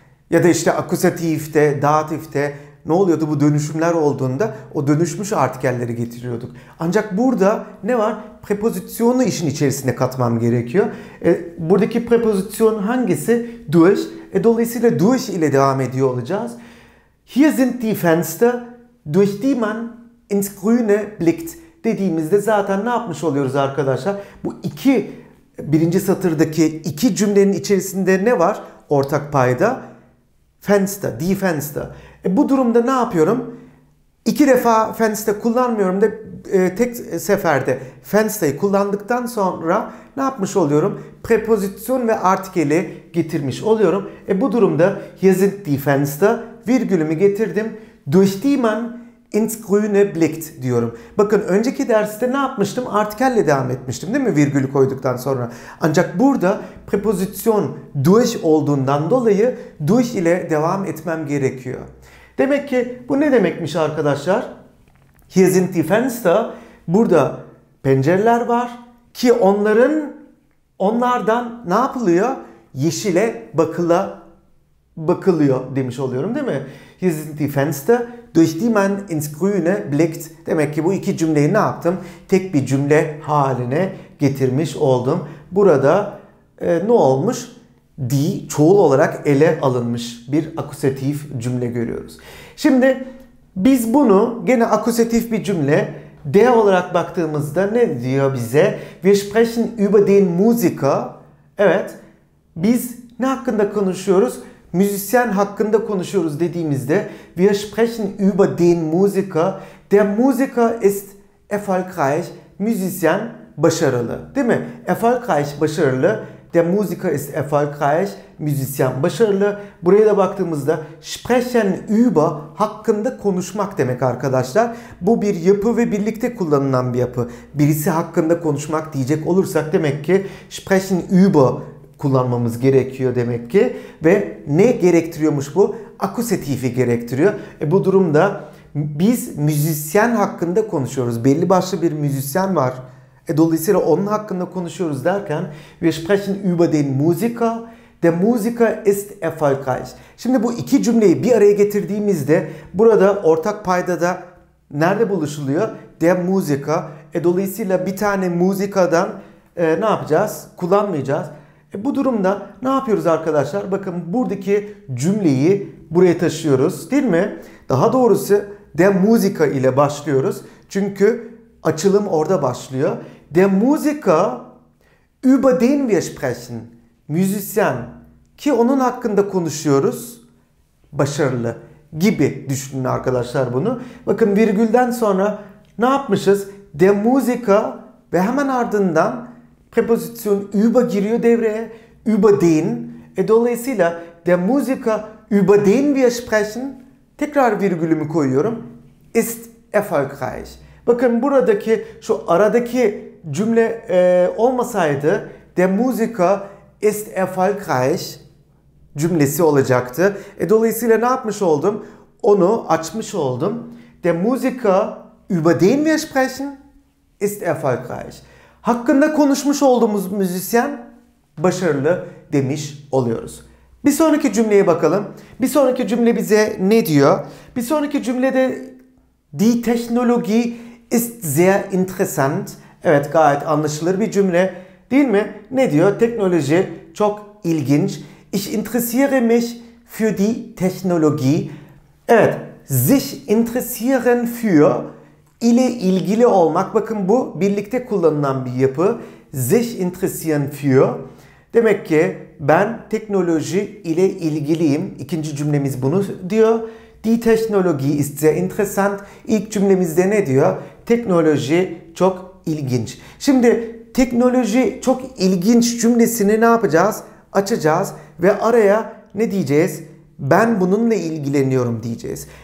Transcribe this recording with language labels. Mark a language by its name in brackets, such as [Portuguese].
[Turkish] Ya da işte akkusatifte, datifte ne oluyordu bu dönüşümler olduğunda? O dönüşmüş artikelleri getiriyorduk. Ancak burada ne var? Prepozisyonu işin içerisine katmam gerekiyor. Buradaki preposition hangisi? Durch. Dolayısıyla durch ile devam ediyor olacağız. [German] Hier sind die Fenster, durch die man ins Grüne blickt. [Turkish] Dediğimizde zaten ne yapmış oluyoruz arkadaşlar? Bu iki, birinci satırdaki iki cümlenin içerisinde ne var? Ortak payda. Fenster, die Fenster. Bu durumda ne yapıyorum? İki defa Fenster kullanmıyorum da tek seferde Fenster'ı kullandıktan sonra ne yapmış oluyorum? Preposition ve artikeli getirmiş oluyorum. Bu durumda [German] Hier sind die Fenster, [Turkish] virgülümü getirdim. [German] Durch die man ins Grüne blickt [Turkish] diyorum. Bakın önceki derste ne yapmıştım? Artikelle devam etmiştim değil mi? Virgülü koyduktan sonra. Ancak burada preposition durch olduğundan dolayı durch ile devam etmem gerekiyor. Demek ki bu ne demekmiş arkadaşlar? [German] Hier sind die Fenster. [Turkish] Burada pencereler var ki onlardan ne yapılıyor? Yeşile bakılıyor demiş oluyorum değil mi? [German] Hier sind die Fenster. Durch die man ins Grüne blickt. [Turkish] Demek ki bu iki cümleyi ne yaptım? Tek bir cümle haline getirmiş oldum. Burada ne olmuş? Die çoğul olarak ele alınmış bir akkusatif cümle görüyoruz. Şimdi biz bunu gene akkusatif bir cümle D olarak baktığımızda ne diyor bize? [German] Wir sprechen über den Musiker. [Turkish] Evet, biz ne hakkında konuşuyoruz? Müzisyen hakkında konuşuyoruz dediğimizde [German] wir sprechen über den Musiker. Der Musiker ist erfolgreich. [Turkish] Müzisyen başarılı. Değil mi? [German] Erfolgreich [Turkish] başarılı. [German] Der Musiker ist erfolgreich. [Turkish] Müzisyen başarılı. Buraya da baktığımızda [German] sprechen über [Turkish] hakkında konuşmak demek arkadaşlar. Bu bir yapı ve birlikte kullanılan bir yapı. Birisi hakkında konuşmak diyecek olursak demek ki [German] sprechen über [Turkish] kullanmamız gerekiyor demek ki. Ve ne gerektiriyormuş bu? Akkusatifi gerektiriyor. Bu durumda biz müzisyen hakkında konuşuyoruz. Belli başlı bir müzisyen var. Dolayısıyla onun hakkında konuşuyoruz derken [German] wir sprechen über den Musiker. Der Musiker ist erfolgreich. [Turkish] Şimdi bu iki cümleyi bir araya getirdiğimizde burada ortak payda da nerede buluşuluyor? [German] Der Musiker. [Turkish] Dolayısıyla bir tane Musiker'dan ne yapacağız? Kullanmayacağız. Bu durumda ne yapıyoruz arkadaşlar? Bakın buradaki cümleyi buraya taşıyoruz, değil mi? Daha doğrusu [German] der Musiker [Turkish] ile başlıyoruz. Çünkü açılım orada başlıyor. [German] Der Musiker über den wir sprechen. [Turkish] Müzisyen ki onun hakkında konuşuyoruz. Başarılı gibi düşünün arkadaşlar bunu. Bakın virgülden sonra ne yapmışız? [German] Der Musiker [Turkish] ve hemen ardından preposition über giriyor devreye. [German] Über den. [Turkish] Dolayısıyla [German] der Musiker über den wir sprechen. [Turkish] Tekrar virgülümü koyuyorum. [German] Ist erfolgreich. [Turkish] Bakın buradaki şu aradaki cümle olmasaydı [German] der Musiker ist erfolgreich [Turkish] cümlesi olacaktı. Dolayısıyla ne yapmış oldum? Onu açmış oldum. [German] Der Musiker über den wir sprechen ist erfolgreich. [Turkish] Hakkında konuşmuş olduğumuz müzisyen başarılı demiş oluyoruz. Bir sonraki cümleye bakalım. Bir sonraki cümle bize ne diyor? Bir sonraki cümlede [German] die Technologie ist sehr interessant. [Turkish] Evet, gayet anlaşılır bir cümle, değil mi? Ne diyor? Teknoloji çok ilginç. [German] Ich interessiere mich für die Technologie. [Turkish] Evet, [German] sich interessieren für [Turkish] ile ilgili olmak. Bakın bu birlikte kullanılan bir yapı. [German] Sich interessieren für. [Turkish] Demek ki ben teknoloji ile ilgiliyim. İkinci cümlemiz bunu diyor. [German] Die Technologie ist sehr interessant. [Turkish] İlk cümlemizde ne diyor? Teknoloji çok ilginç. Şimdi teknoloji çok ilginç cümlesini ne yapacağız? Açacağız ve araya ne diyeceğiz? Ben bununla ilgileniyorum diyeceğiz.